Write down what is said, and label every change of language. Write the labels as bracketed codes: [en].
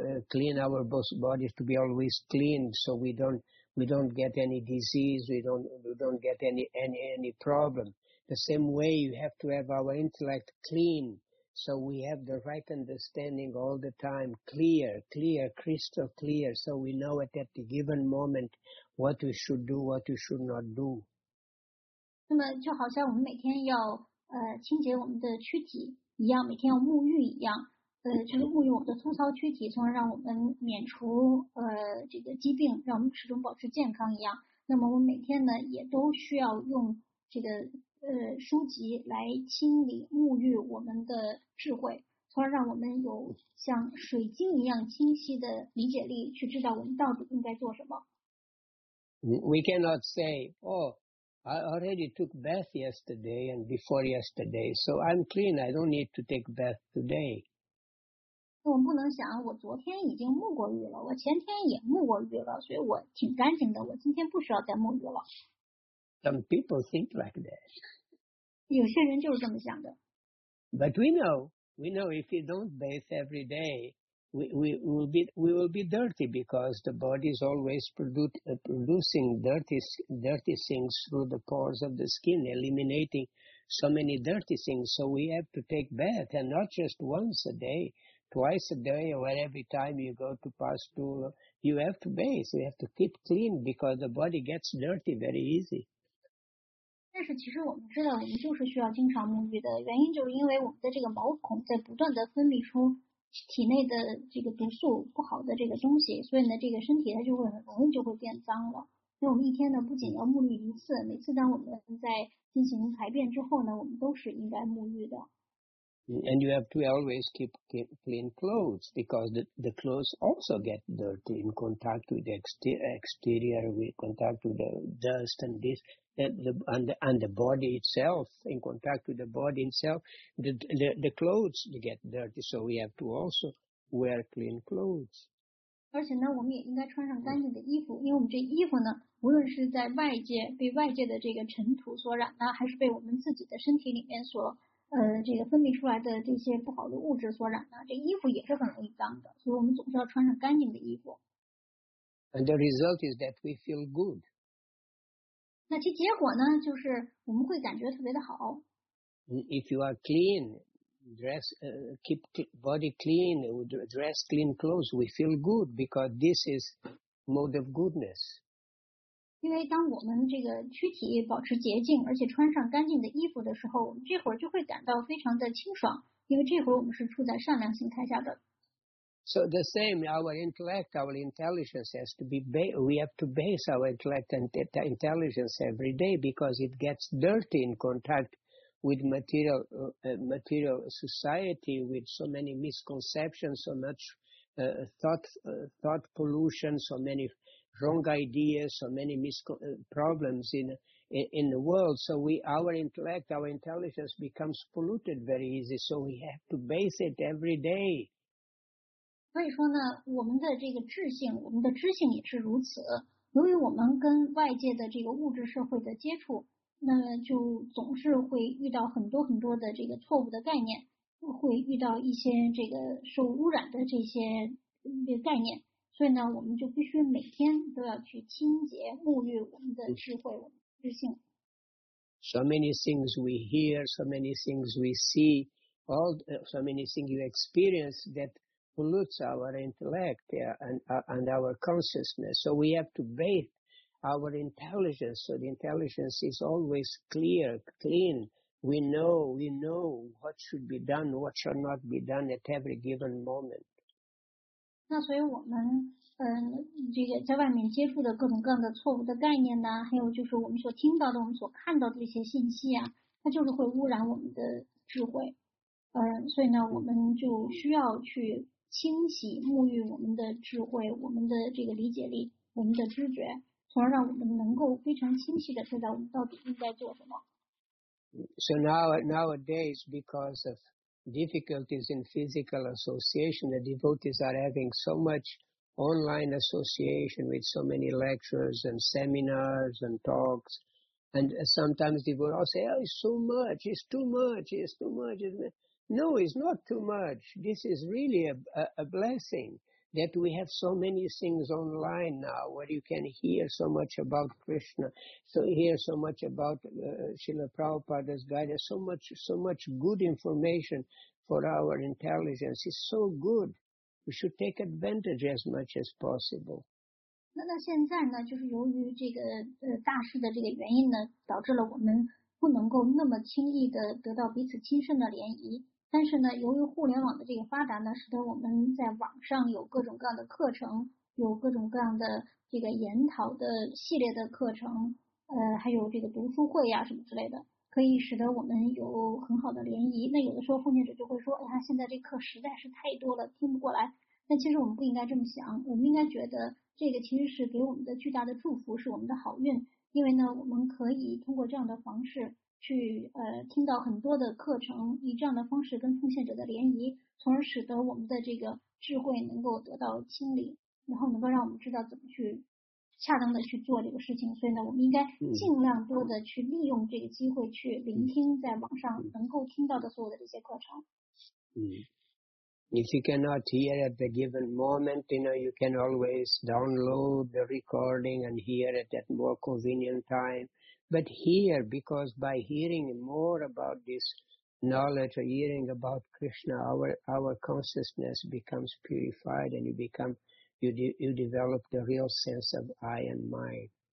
[en] Clean our bodies to be always clean, so we don't get any disease, we don't get any problem. The same way, you have to have our intellect clean, so we have the right understanding all the time, clear, crystal clear, so we know at that given moment what we should do, what we should not do. [zh] 那么就好像我们每天要清洁我们的躯体一样，每天要沐浴一样。就是沐浴我们的粗糙躯体，从而让我们免除这个疾病，让我们始终保持健康一样。那么我们每天呢，也都需要用这个书籍来清理沐浴我们的智慧，从而让我们有像水晶一样清晰的理解力，去知道我们到底应该做什么。 [en] We cannot say, oh, I already took bath yesterday and before yesterday, so I'm clean. I don't need to take bath today. [zh] 我们不能想我昨天已经沐过浴了，我前天也沐过浴了，所以我挺干净的，我今天不需要再沐浴了。 [en] Some people think like that. [zh] 有些人就是这么想的。 [en] But we know if we don't bathe every day, we will be dirty because the body is always producing dirty things through the pores of the skin, eliminating so many dirty things. So we have to take bath and not just once a day. Twice a day or every time you go to pastul, you have to bathe. You have to keep clean because the body gets dirty very easy. [zh] 但是其实我们知道，我们就是需要经常沐浴的。原因就是因为我们的这个毛孔在不断的分泌出体内的这个毒素、不好的这个东西，所以呢，这个身体它就会很容易就会变脏了。所以我们一天呢，不仅要沐浴一次，每次当我们在进行排便之后呢，我们都是应该沐浴的。 [en] And you have to always keep clean clothes because the clothes also get dirty in contact with the exterior, with contact with the dust and this, and the body itself, in contact with the body itself, the clothes get dirty. So we have to also wear clean clothes. [zh] 而且呢，我们也应该穿上干净的衣服，因为我们这衣服呢，无论是在外界被外界的这个尘土所染呢，还是被我们自己的身体里面所这个分泌出来的这些不好的物质所染的，这衣服也是很容易脏的，所以我们总是要穿上干净的衣服。 [en] And the result is that we feel good. [zh] 那其结果呢，就是我们会感觉特别的好。 [en] If you are clean, dress, keep body clean, dress clean clothes, we feel good because this is mode of goodness. [zh] 因为当我们这个躯体保持洁净，而且穿上干净的衣服的时候，我们这会儿就会感到非常的清爽，因为这会儿我们是处在善良形态下的。 [en] So the same, our intellect, our intelligence has to be, we have to base our intellect and intelligence every day because it gets dirty in contact with material, material society, with so many misconceptions, so much thought pollution, so many wrong ideas, so many problems in the world. So our intellect, our intelligence becomes polluted very easy. So we have to base it every day. [zh] 所以说呢，我们的这个智性，我们的知性也是如此。由于我们跟外界的这个物质社会的接触，那就总是会遇到很多很多的这个错误的概念，会遇到一些这个受污染的这些概念。所以呢，我们就必须每天都要去清洁、沐浴我们的智慧、我们的知性。 [en] So many things we hear, so many things we see, all so many things you experience that. Pollutes our intellect, yeah, and our consciousness. So we have to bathe our intelligence. So the intelligence is always clear, clean. We know what should be done, what should not be done at every given moment. [zh] 那所以我们这个在外面接触的各种各样的错误的概念呢，还有就是我们所听到的、我们所看到的一些信息啊，它就是会污染我们的智慧。所以呢，我们就需要去。清洗沐浴我们的智慧我们的这个理解力我们的知觉从而让我们能够非常清晰地知道我们到底应该做什么 [en] So nowadays because of difficulties in physical association the devotees are having so much online association with so many lectures and seminars and talks and sometimes devotees all say oh, it's so much it's too much it's too much isn't itNo, it's not too much. This is really a blessing that we have so many things online now where you can hear so much about Krishna, so hear so much about Srila Prabhupada's guidance, so much good information for our intelligence. It's so good. We should take advantage as much as possible. [zh] 那到现在呢就是由于这个大事的这个原因呢导致了我们不能够那么轻易的得到彼此亲身的联谊。但是呢，由于互联网的这个发达呢，使得我们在网上有各种各样的课程，有各种各样的这个研讨的系列的课程，还有这个读书会呀、什么之类的，可以使得我们有很好的联谊。那有的时候奉献者就会说，哎呀，现在这课实在是太多了，听不过来。那其实我们不应该这么想，我们应该觉得这个其实是给我们的巨大的祝福，是我们的好运，因为呢，我们可以通过这样的方式。去听到很多的课程，以这样的方式跟奉献者的联谊，从而使得我们的这个智慧能够得到清理，然后能够让我们知道怎么去恰当的去做这个事情。所以呢，我们应该尽量多的去利用这个机会去聆听在网上能够听到的所有的这些课程。 [en] 嗯 ，If you cannot hear at the given moment, you know you can always download the recording and hear it at more convenient time. But here, because by hearing more about this knowledge or hearing about Krishna, our consciousness becomes purified and you develop the real sense of I and mine.